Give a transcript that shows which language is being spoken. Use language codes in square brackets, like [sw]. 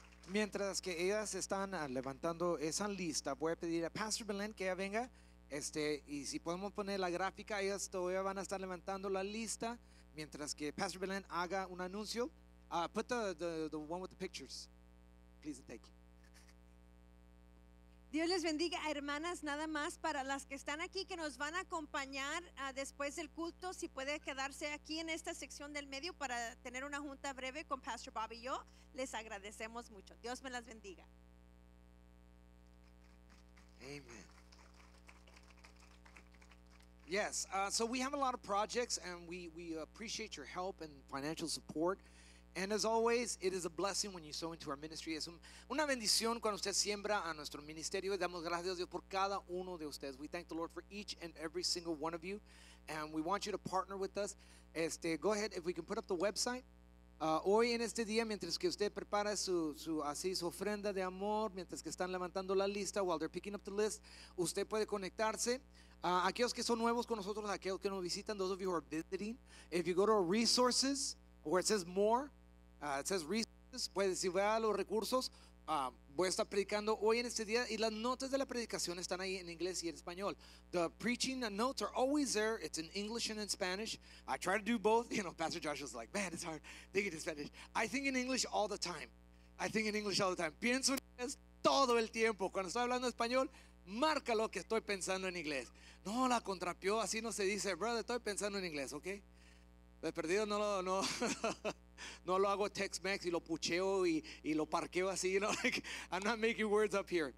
[es] Mientras que ellas están levantando esa lista, voy a pedir a Pastor Belén que ella venga. Y si podemos poner la gráfica, ellas todavía van a estar levantando la lista mientras que Pastor Belén haga un anuncio. [en] Put the one with the pictures, please, and thank you. [es] Dios les bendiga, hermanas. Nada más para las que están aquí, que nos van a acompañar después del culto, si puede quedarse aquí en esta sección del medio para tener una junta breve con Pastor Bob y yo, les agradecemos mucho. Dios me las bendiga. Amen. [en] Yes, so we have a lot of projects, and we appreciate your help and financial support. And as always, it is a blessing when you sow into our ministry. [es] Es una bendición cuando usted siembra a nuestro ministerio. Damos gracias a Dios por cada uno de ustedes. [en] We thank the Lord for each and every single one of you. And we want you to partner with us. Go ahead, if we can put up the website. [es] Hoy en este día, mientras que usted prepara su ofrenda de amor, mientras que están levantando la lista, [en] while they're picking up the list, [es] usted puede conectarse. Aquellos que son nuevos con nosotros, aquellos que nos visitan, [en] those of you who are visiting, if you go to our resources, where it says more, it says resources, [es] puede decir, vea los recursos. Voy a estar predicando hoy en este día, y las notas de la predicación están ahí en inglés y en español. [en] The preaching notes are always there. It's in English and in Spanish. I try to do both. You know, Pastor Josh is like, man, it's hard thinking in Spanish. I think in English all the time. [es] Pienso en inglés todo el tiempo. Cuando estoy hablando español, márcalo que estoy pensando en inglés. No, la contrapió, así no se dice, brother, estoy pensando en inglés, ok. De perdido no lo hago Tex-Mex y lo pucheo y lo parqueo así, [en] you know, like, I'm not making words up here.